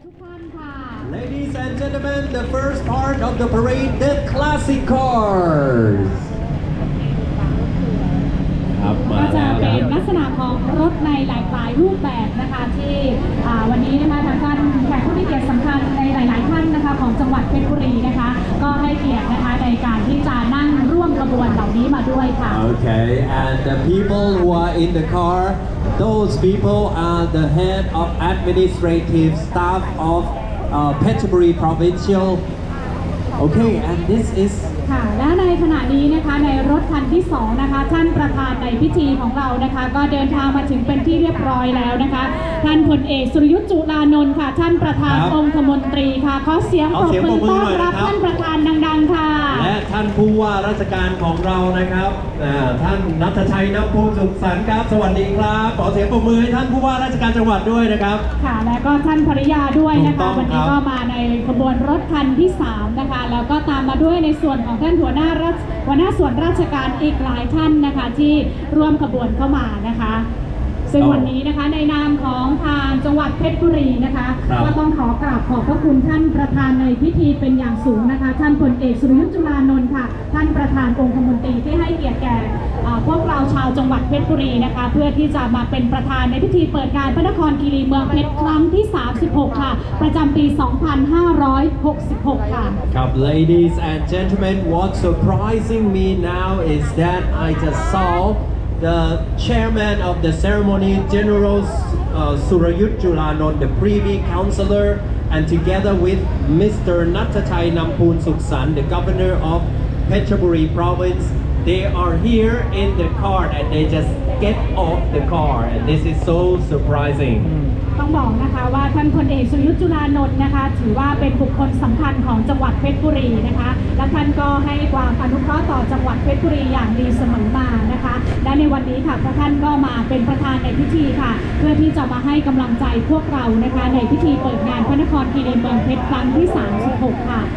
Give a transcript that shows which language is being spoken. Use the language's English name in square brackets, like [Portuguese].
[English] the first part of the parade, the classic cars. [Thai] ก็จะเป็นลักษณะของรถในหลายๆรูปแบบนะคะที่วันนี้นะคะทางท่านแขกผู้มีเกียรติสำคัญในหลายๆท่านนะคะของจังหวัดเพชรบุรีนะคะก็ให้เกียรตินะคะในการที่จะนั่งร่วมกระบวนเหล่านี้มาด้วยค่ะ [English] โอเค and the people who are in the carThose people are the head of administrative staff of Phetchaburi Provincial. Okay, and this is. [Thai] ค่ะและในขณะนี้นะคะในรถคันที่สองนะคะท่านประธานในพิธีของเรานะคะก็เดินทางมาถึงเป็นที่เรียบร้อยแล้วนะคะท่านพลเอกสุรยุทธ์จุลานนท์ค่ะท่านประธานองคมนตรีค่ะขอเสียงปรบมือต้อนรับท่านประธานดังๆค่ะ และท่านผู้ว่าราชการของเรานะครับท่านณัฐชัยณภูสุขสันต์ครับสวัสดีครับขอเสียงปรบมือให้ท่านผู้ว่าราชการจังหวัดด้วยนะครับ ค่ะและก็ท่านภริยาด้วยนะคะวันนี้ก็มาในขบวนรถคันที่3นะคะแล้วก็ตามมาด้วยในส่วนของท่านหัวหน้าส่วนราชการอีกหลายท่านนะคะที่ร่วมขบวนเข้ามานะคะ ซึ่งวันนี้นะคะในนามของทางจังหวัดเพชรบุรีนะคะก็ต้องขอกราบขอบพระคุณท่านประธานในพิธีเป็นอย่างสูงนะคะท่านพลเอกสุรยุทธ์จุฬานนท์ค่ะท่านประธานองคมนตรีที่ให้เกียรติแก่พวกเราชาวจังหวัดเพชรบุรีนะคะเพื่อที่จะมาเป็นประธานในพิธีเปิดงานพระนครคีรีเมืองเพชรครั้งที่36ค่ะประจำปี2566ค่ะ [English] ครับ ladies and gentlemen what surprising me now is that I just sawThe chairman of the ceremony, General Surayut Julanon, the Privy Councillor, and together with Mr. Natthachai Namphun Suksan, the Governor of Phetchaburi Province, they are here in the car and they just get off the car. And this is so surprising. [Thai] ต้องบอกนะคะว่าท่านพลเอกสุรยุทธ์จุลานนท์นะคะถือว่าเป็นบุคคลสำคัญของจังหวัดเพชรบุรีนะคะและท่านก็ให้ความอนุเคราะห์ต่อจังหวัดเพชรบุรีอย่างดีเสมอมานะคะและในวันนี้ค่ะท่านก็มาเป็นประธานในพิธีค่ะเพื่อที่จะมาให้กำลังใจพวกเรานะคะในพิธีเปิดงานพระนครคีรีเมืองเพชรครั้งที่36ค่ะ